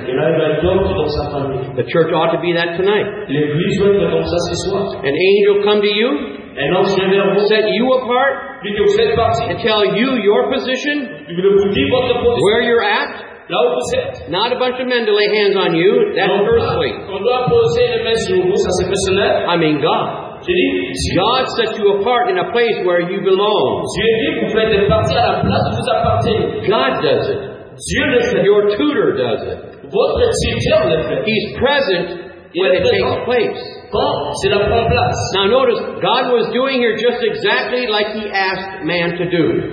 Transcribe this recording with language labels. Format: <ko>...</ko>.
<en>The church ought to be that tonight. An angel come to you, set you apart, and tell you your position, where you're at,</en> <fr>Là où vous êtes.</fr> <en>Not a bunch of men to lay hands on you. That's</en> <fr>non,</fr> <en>earthly.</en> <fr>On doit poser les mains sur vous, ça c'est personnel.</fr> <en>I mean God. God set you apart in a place where you belong. God does it. Your tutor does it. He's present when it takes place. Now notice, God was doing here just exactly like He asked man to do.</en>